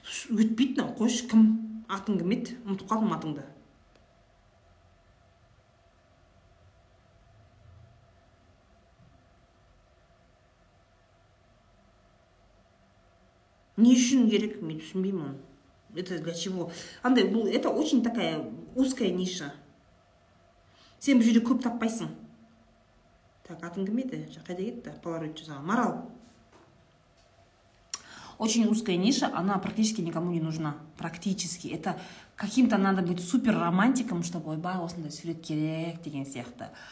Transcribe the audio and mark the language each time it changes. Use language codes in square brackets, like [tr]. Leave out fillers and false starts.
[kk] Өтпейді, қойшы кім? Атың кім еді? Ұмытып қалдым атыңды. Не үшін керек, мен түсінбеймін. [ru] Это для чего? [kk] Андай, бұл [ru] это очень такая узкая ниша. [kk] Сен бұл жерде көп таппайсың. Так, атың кім еді? Жақайда кетті? Polaroid жасаған. Марал. [ru] Очень узкая ниша, она практически никому не нужна. Практически. Это каким-то надо быть супер романтиком, чтобы [kk] ой, бай, осындай сурет керек деген сияқты.